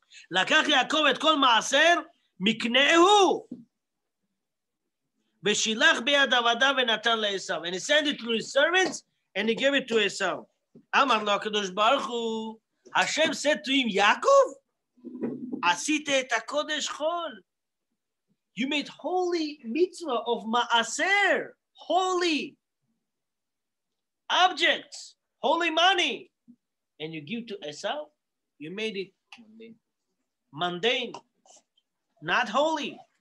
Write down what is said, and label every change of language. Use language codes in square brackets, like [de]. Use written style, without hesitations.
[he] לקח יעקב את כל מעשר מקנהו ושילח ביד עבדה ונתן לאסב. [en] And he sent it to his servants and he gave it to Esav. [he] אמר לו הקדוש ברוך הוא, השם [en] said to him, [he] יעקב, עשית את הקודש חול. [en] You made holy mitzvah of מעשר, holy objects, holy money. And you give to Esav, you made it mundane, not holy.